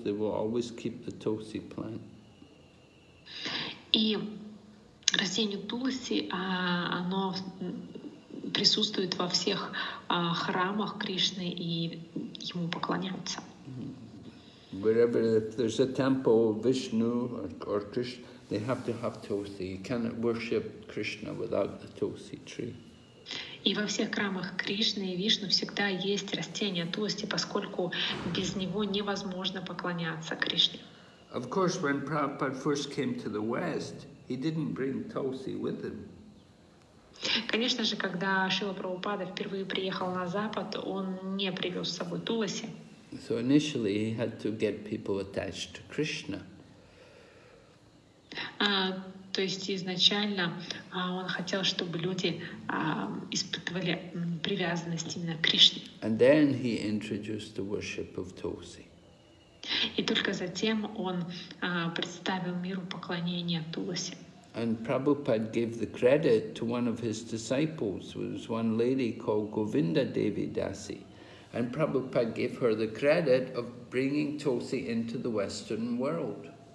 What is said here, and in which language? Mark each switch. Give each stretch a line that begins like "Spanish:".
English: They will always keep the tulsi plant.
Russian: И растение туласи, оно присутствует во всех храмах Кришны и ему поклоняются.
English: Wherever there's a temple of Vishnu or Krishna, they have tulsi. You cannot worship Krishna without the tulsi tree.
Russian: И во всех храмах Кришны и Вишну всегда есть растение туласи, поскольку без него невозможно поклоняться Кришне.
English: Of course, when Prabhupada first came to the West, he didn't bring tulsi with him.
Russian: Конечно же, когда Шрила Прабхупада впервые приехал на Запад, он не привез с собой туласи.
English: So initially, he had to get people attached to Krishna.
Russian: То есть изначально он хотел, чтобы люди испытывали привязанность именно к Кришне.
English: And then he introduced the worship of tulsi.
Russian: И только затем он представил миру поклонение туласи.
English: And Prabhupada gave the credit to one of his disciples. It was one lady called Govinda Devi Dasi. And Prabhupada gave her the credit of bringing tulsi into the Western world.